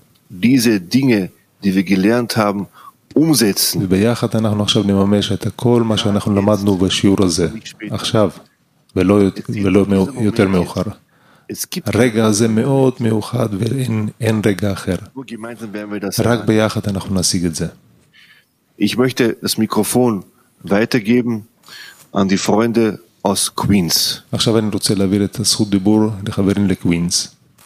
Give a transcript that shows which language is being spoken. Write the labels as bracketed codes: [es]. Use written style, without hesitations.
[de] diese Dinge, die wir gelernt haben, umsetzen. [he] וביחד אנחנו עכשיו נממש את כל מה שאנחנו למדנו בשיעור הזה, עכשיו, ולא יותר מאוחר. הרגע הזה מאוד מיוחד ואין רגע אחר. רק ביחד אנחנו נשיג את זה. [de] Ich möchte das Mikrofon weitergeben an die Freunde aus Queens. [he] עכשיו אני רוצה להעביר את זכות דיבור לחברים לקווינס.